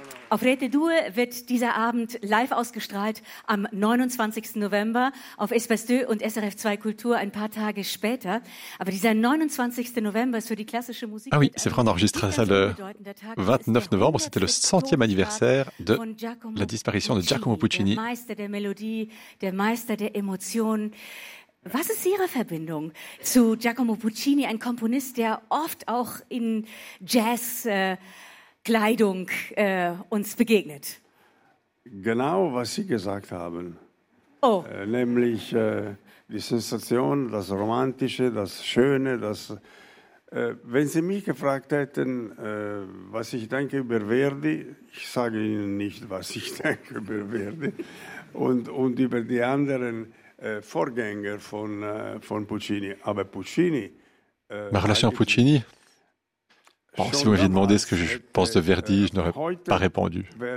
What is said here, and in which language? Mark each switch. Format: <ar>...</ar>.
<de>Auf Rete 2 wird dieser Abend live ausgestrahlt am 29. November auf Espace 2 und SRF 2 Kultur ein paar Tage später. Aber dieser 29. November ist für die klassische Musik.</de> <fr>Ah oui, c'est vrai, on enregistre ça le 29 novembre. C'était le 100e anniversaire de la disparition de Giacomo Puccini.</fr> <de>Der Meister der Melodie, der Meister der Emotionen. Was ist Ihre Verbindung zu Giacomo Puccini, ein Komponist, der oft auch in Jazz Kleidung uns begegnet? Genau, was Sie gesagt haben. Oh. Nämlich die Sensation, das Romantische, das Schöne. Das, wenn Sie mich gefragt hätten, was ich denke über Verdi, ich sage Ihnen nicht, was ich denke über Verdi, und über die anderen Vorgänger von Puccini. Aber Puccini...</de> <fr>Ma relation Puccini... Bon, si vous m'aviez demandé ce que je pense de Verdi, je n'aurais pas répondu.</fr>